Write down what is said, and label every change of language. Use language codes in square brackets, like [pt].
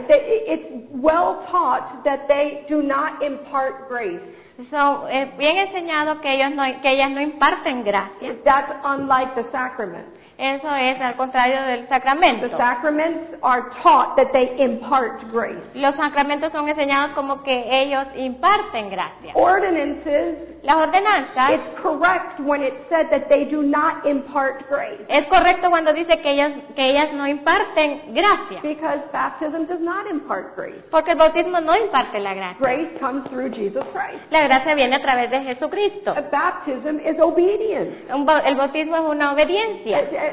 [en] It's well taught that they do not impart grace. [es] So, es bien enseñado que ellos no, que ellas no imparten gracia. [en] That's unlike the sacraments. [es] Eso es al contrario del sacramento. [en] The sacraments are taught that they impart grace. [es] Los sacramentos son enseñados como que ellos imparten gracia. [en] Ordinances. [es] Las ordenanzas. [en] It's correct when it said that they do not impart grace. [es] Es correcto cuando dice que ellas no imparten gracia. [en] Because baptism does not impart grace. [es] Porque el bautismo no imparte la gracia. [en] Grace comes through Jesus Christ. [es] La gracia viene a través de Jesucristo. [en] A baptism is obedience. [es] El bautismo es una obediencia.